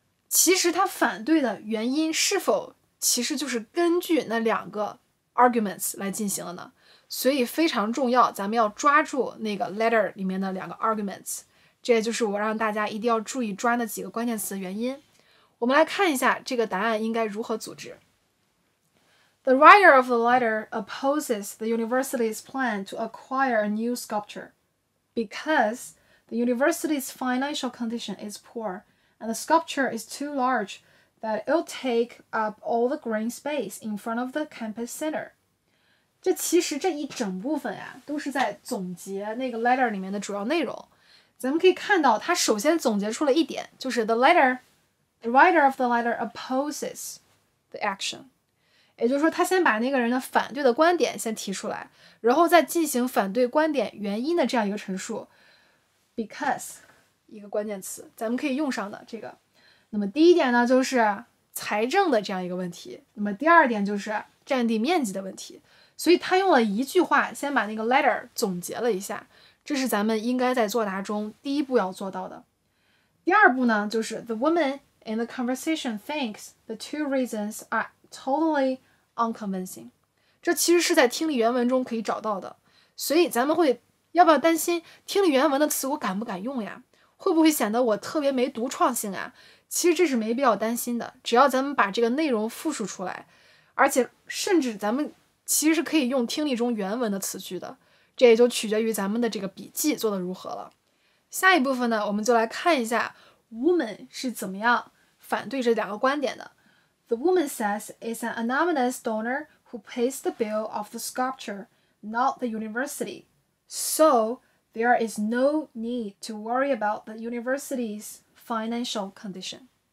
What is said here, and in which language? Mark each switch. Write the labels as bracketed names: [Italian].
[Chinese] 其实她反对的原因是否其实就是根据那两个 arguments 来进行的呢？所以非常重要，咱们要抓住那个 letter 里面的两个 arguments。这也就是我让大家一定要注意抓那几个关键词的原因。我们来看一下这个答案应该如何组织。 [English] The writer of the letter opposes the university's plan to acquire a new sculpture because the university's financial condition is poor and the sculpture is too large that it'll take up all the green space in front of the campus center. [Chinese] 这其实这一整部分啊，都是在总结那个 letter 里面的主要内容。咱们可以看到他首先总结出了一点，就是 [English] the writer of the letter opposes the action， [Chinese] 也就是说他先把那个人的反对的观点先提出来，然后再进行反对观点原因的这样一个陈述。 [English] because [Chinese] 一个关键词咱们可以用上的这个。那么第一点呢，就是财政的这样一个问题，那么第二点就是占地面积的问题。所以他用了一句话先把那个 letter 总结了一下，这是咱们应该在作答中第一步要做到的。第二步呢，就是 [English] The woman in the conversation thinks the two reasons are totally unconvincing. [Chinese] 这其实是在听力原文中可以找到的。所以咱们会要不要担心听力原文的词我敢不敢用呀？会不会显得我特别没独创性啊？其实这是没必要担心的，只要咱们把这个内容复述出来，而且甚至咱们其实是可以用听力中原文的词句的。这也就取决于咱们的这个笔记做得如何了。下一部分呢，我们就来看一下 woman 是怎么样反对这两个观点的。 [English] The woman says it's an anonymous donor who pays the bill of the sculpture, not the university. So there is no need to worry about the university's financial condition.